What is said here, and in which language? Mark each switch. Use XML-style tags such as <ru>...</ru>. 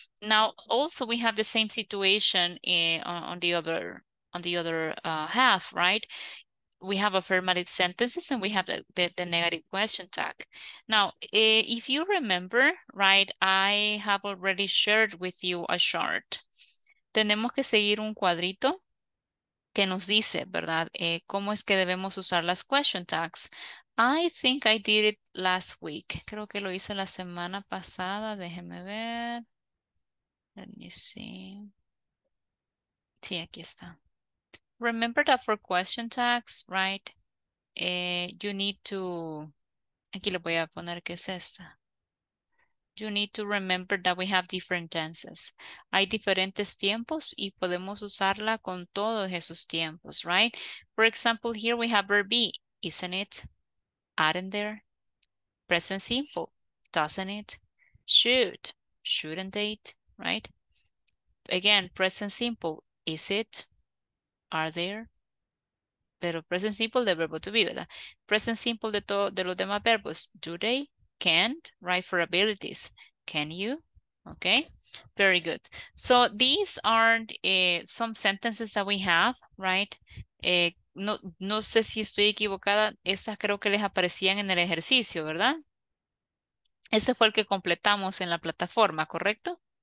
<en>Now, also we have the same situation on the other half, right? We have affirmative sentences and we have the negative question tag. Now, if you remember, right, I have already shared with you a chart.</en> <es>Tenemos que seguir un cuadrito que nos dice, ¿verdad? ¿Cómo es que debemos usar las question tags?</es> <en>I think I did it last week.</en> <es>Creo que lo hice la semana pasada. Déjeme ver.</es> <en>Let me see.</en> <es>Sí, aquí está.</es> <en>Remember that for question tags, right? You need to,</en> <es>aquí le voy a poner que es esta.</es> <en>You need to remember that we have different tenses.</en> <es>Hay diferentes tiempos y podemos usarla con todos esos tiempos, right?</es> <en>For example, here we have verb be, isn't it? Aren't there? Present simple, doesn't it? Should, shouldn't it, right? Again, present simple, is it? Are there?</en> <es>Pero present simple de verbo to be, ¿verdad?</es> <en>Present simple</en> <es>de los demás verbos.</es> <en>Do they? Can't? Right for abilities. Can you? Okay, very good. So these are some sentences that we have, right?</en> <es>No sé si estoy equivocada. Esas creo que les aparecían en el ejercicio, ¿verdad? Ese fue el que completamos en la plataforma, ¿correcto?</es>